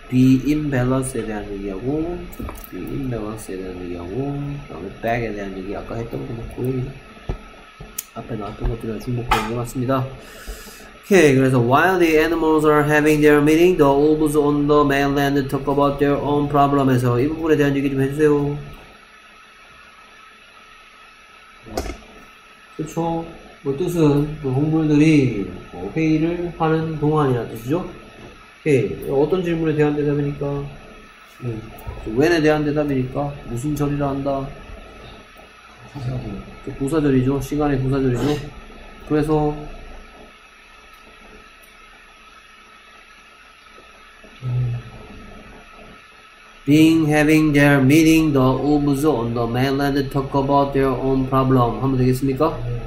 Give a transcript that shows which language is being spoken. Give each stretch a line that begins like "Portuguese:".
English: Be in balance
Korean: 에 대한 얘기하고,
English: be in balance
Korean: 에 대한 얘기하고, 그 다음에 back에 대한 얘기, 아까 했던 것도 맞고, 앞에 나왔던 것들이랑 중복하는 게 맞습니다.
English: Okay,
Korean: 그래서,
English: while the animals are having their meeting, the wolves on the mainland talk about their own problem.
Korean: 에서 이 부분에 대한 얘기 좀 해주세요. 그쵸? 그 뜻은 그 동물들이 회의를 하는 동안이라는 뜻이죠. 오케이. 어떤 질문에 대한 대답이니까 when에 대한 대답이니까 무슨 절이라 한다. 부사절. 부사절이죠. 시간의 부사절이죠.
English: 그래서 being having their meeting the wolves on the mainland talk about their own problem
Korean: 하면 되겠습니까?